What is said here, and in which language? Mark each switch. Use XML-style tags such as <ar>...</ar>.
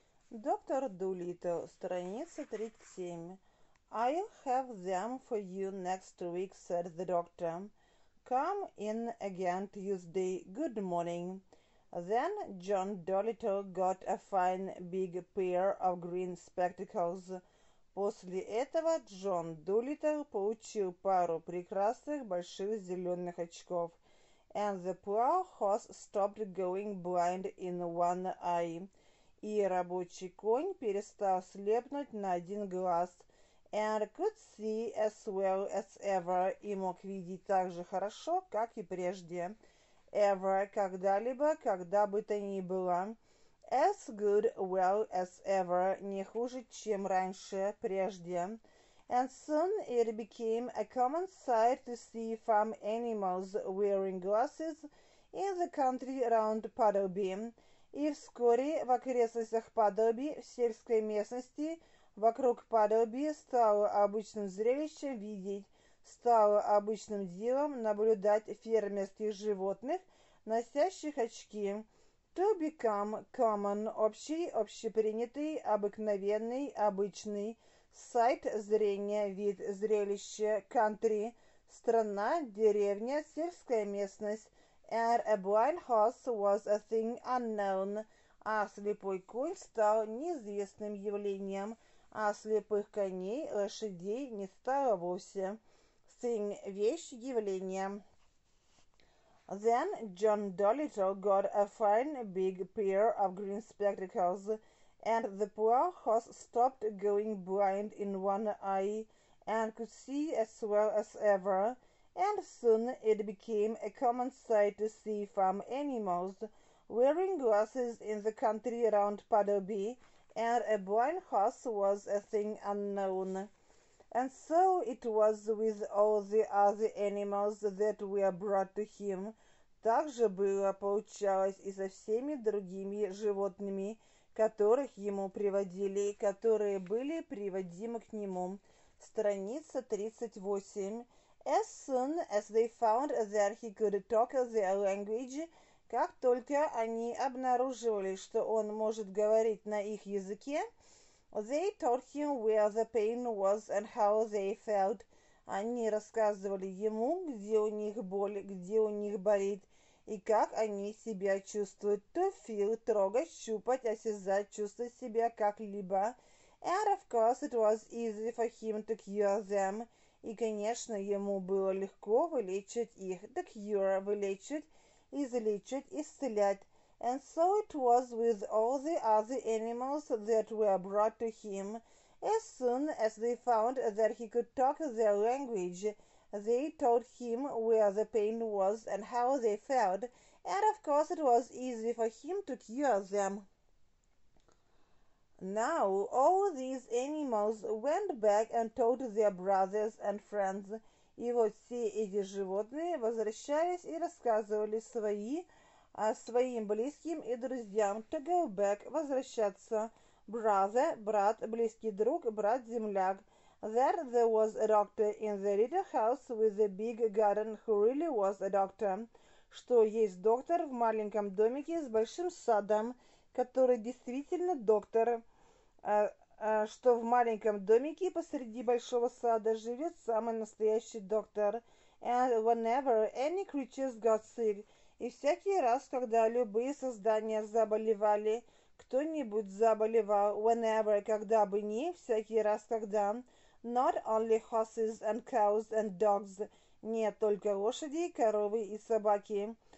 <ru>Доктор Дулиттл, страница 37.</ru> <en>I'll have them for you next week, said the doctor. Come in again Tuesday. Good morning. Then John Dolittle got a fine big pair of green spectacles.</en> <ru>После этого Джон Дулиттл получил пару прекрасных больших зеленых очков.</ru> <en>And the poor horse stopped going blind in one eye.</en> <ru>И рабочий конь перестал слепнуть на один глаз.</ru> <en>And could see as well as ever.</en> <ru>И мог видеть так же хорошо, как и прежде. Ever, когда-либо, когда бы то ни было.</ru> <en>As good well as ever.</en> <ru>Не хуже, чем раньше, прежде.</ru> <en>And soon it became a common sight to see farm animals wearing glasses in the country round Puddleby.</en> <ru>И вскоре в окрестностях Puddleby, в сельской местности, вокруг Puddleby стало обычным зрелищем видеть, стало обычным делом наблюдать фермерских животных, носящих очки.</ru> <en>To become common,</en> <ru>общий, общепринятый, обыкновенный, обычный. Sight, зрение, вид, зрелище, country, страна, деревня, сельская местность.</ru> <en>And a blind horse was a thing unknown.</en> <ru>А слепой конь стал неизвестным явлением. А слепых коней, лошадей не стало вовсе.</ru> <en>Thing,</en> <ru>вещь, явление.</ru> <en>Then John Dolittle got a fine big pair of green spectacles. And the poor horse stopped going blind in one eye and could see as well as ever. And soon it became a common sight to see farm animals wearing glasses in the country round Puddleby, and a blind horse was a thing unknown. And so it was with all the other animals that were brought to him.</en> <ru>Так же было, получалось, и со всеми другими животными, которых ему приводили, которые были приводимы к нему. Страница 38.</ru> <en>As soon as they found that he could talk their language,</en> <ru>как только они обнаруживали, что он может говорить на их языке,</ru> <en>they told him where the pain was and how they felt.</en> <ru>Они рассказывали ему, где у них боль, где у них болит, и как они себя чувствуют.</ru> <en>To feel,</en> <ru>трогать, щупать, осязать, чувствовать себя как-либо.</ru> <en>And of course it was easy for him to cure them.</en> <ru>И, конечно, ему было легко вылечить их.</ru> <en>The cure,</en> <ru>вылечить, излечить, исцелять.</ru> <en>And so it was with all the other animals that were brought to him. As soon as they found that he could talk their language, they told him where the pain was and how they felt. And of course it was easy for him to cure them. Now all these animals went back and told their brothers and friends.</en> <ru>И вот все эти животные возвращались и рассказывали своим близким и друзьям.</ru> <en>To go back,</en> <ru>возвращаться. Brother, брат, близкий друг, брат-земляк.</ru> <en>That there was a doctor in the little house with the big garden who really was a doctor.</en> <ru>Что есть доктор в маленьком домике с большим садом, который действительно доктор. Что в маленьком домике посреди большого сада живет самый настоящий доктор.</ru> <en>And whenever any creatures got sick,</en> <ru>и всякий раз, когда любые создания заболевали, кто-нибудь заболевал, whenever, когда бы ни, всякий раз, когда,</ru> <en>not only horses and cows and dogs,</en> <ru>не только лошади, коровы и собаки,</ru>